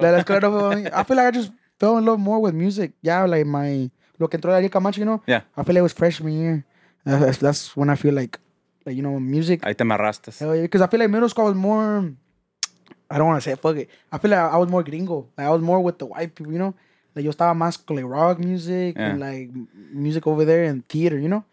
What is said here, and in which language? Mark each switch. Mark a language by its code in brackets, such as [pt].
[es] La escuela no fue para mí. [en] I feel like I just fell in love more with music. Yeah, like my... [es] Lo que entró de Ariel Camacho, [en] you know? Yeah. I feel like it was freshman year. That's when I feel like, you know, music. [es] Ahí te marrastas. [en] Because I feel like middle school was more... I don't want to say fuck it. I feel like I was more gringo. Like, I was more with the white people, you know? Like, [es] yo estaba más con, [en] like, rock music yeah. and, like, music over there and theater, you know?